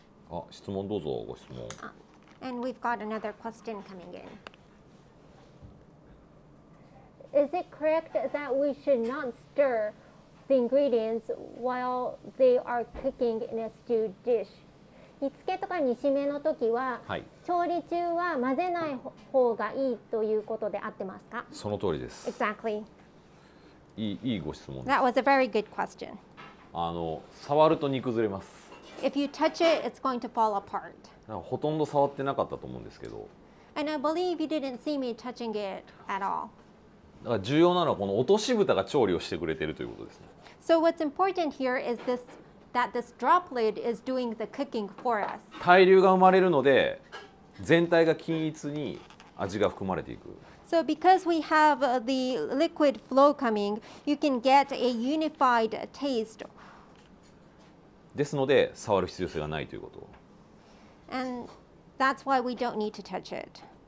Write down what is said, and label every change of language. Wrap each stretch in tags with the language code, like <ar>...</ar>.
<ja>あ、質問どうぞ、ご質問。</ja> <en>And we've got another question coming in. Is it correct that we should not stir the ingredients while they are cooking in a stewed dish?</en> <ja>煮付けとか煮しめの時は、はい、調理中は混ぜない方がいいということで合ってますか？その通りです。</ja> <en>Exactly.</en> <ja>いいご質問です。</ja> <en>That was a very good question.</en> <ja>あの、触ると煮崩れます。</ja> <en>If you touch it, it's going to fall apart.</en> <ja>ほとんど触ってなかったと思うんですけど。</ja> <en>And I believe you didn't see me touching it at all.</en> <ja>だから重要なのはこの落とし蓋が調理をしてくれているということですね。</ja> <en>So what's important here is this, that this drop lid is doing the cooking for us.</en> <ja>対流が生まれるので、全体が均一に味が含まれていく。</ja> <en>So because we have the liquid flow coming, you can get a unified taste.</en> <ja>ですので、触る必要性がないということ。</ja> <en>And that's why we don't need to touch it.</en>